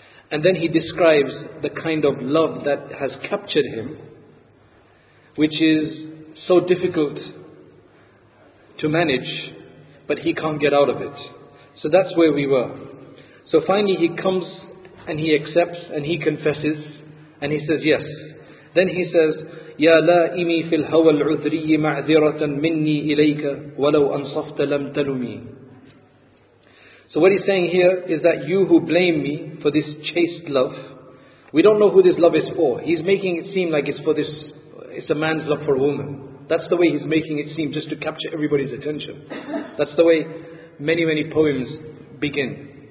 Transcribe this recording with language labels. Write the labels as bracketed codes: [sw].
[en] And then he describes the kind of love that has captured him, which is so difficult to manage, but he can't get out of it. So that's where we were. So finally he comes and he accepts and he confesses and he says yes. Then he says, [ar] يَا لَائِمِي فِي الْهَوَى الْعُذْرِيِّ مَعْذِرَةً مِنِّي إِلَيْكَ وَلَوْ أَنصَفْتَ لَمْ تَلُمِي. [en] So what he's saying here is that you who blame me for this chaste love, we don't know who this love is for. He's making it seem like it's a man's love for a woman. That's the way he's making it seem, just to capture everybody's attention. That's the way many, many poems begin.